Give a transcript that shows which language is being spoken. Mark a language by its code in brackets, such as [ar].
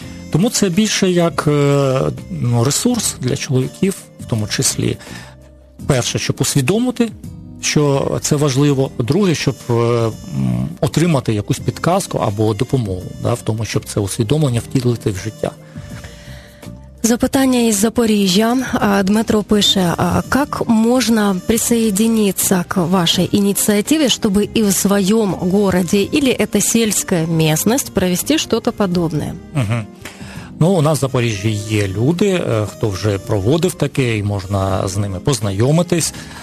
[uk] Тому це більше як ресурс для чоловіків, в тому числі. Перше, щоб усвідомити, що це важливо. Друге, щоб отримати якусь підказку або допомогу, да, в тому, щоб це усвідомлення втілити в життя. Запитання із Запоріжжя. Дмитро пише, [ru] як можна присоединиться к вашей инициативе, чтобы и в своем городе или это сельская местность провести что-то подобное? Угу. [uk] Ну, у нас в Запоріжжі є люди, хто вже проводив таке, і можна з ними познайомитись.